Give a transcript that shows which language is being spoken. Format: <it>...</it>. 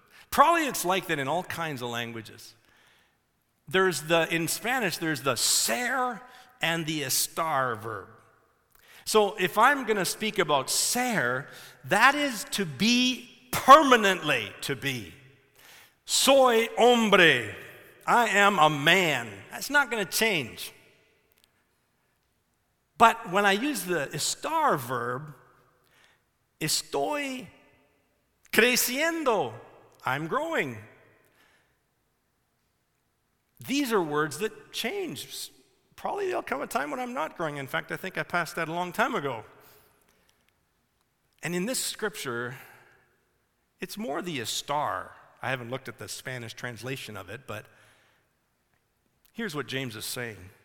<en>Probably it's like that in all kinds of languages. In Spanish, there's the ser and the estar verb. So if I'm going to speak about ser, that is to be permanently to be.</en> <es>Soy hombre.</es> <en>I am a man. That's not going to change. But when I use the estar verb,</en> <es>estoy creciendo.</es> <en>I'm growing. These are words that change. Probably there'll come a time when I'm not growing. In fact, I think I passed that a long time ago. And in this scripture, it's more the estar. I haven't looked at the Spanish translation of it, but here's what James is saying.</en>